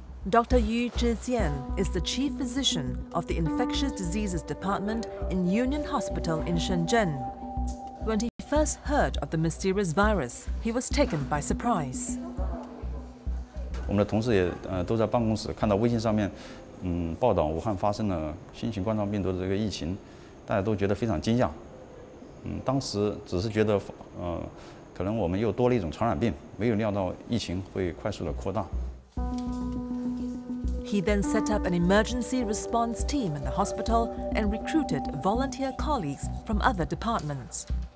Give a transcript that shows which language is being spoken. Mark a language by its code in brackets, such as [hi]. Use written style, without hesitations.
[en] Dr. Yu Zhijian is the chief physician of the Infectious Diseases Department in Union Hospital in Shenzhen. When he first heard of the mysterious virus, he was taken by surprise. [zh] 我们的同事也都在办公室看到微信上面报道武汉发生了新型冠状病毒的这个疫情，大家都觉得非常惊讶。当时只是觉得可能我们又多了一种传染病，没有料到疫情会快速的扩大。 [en] He then set up an emergency response team in the hospital and recruited volunteer colleagues from other departments.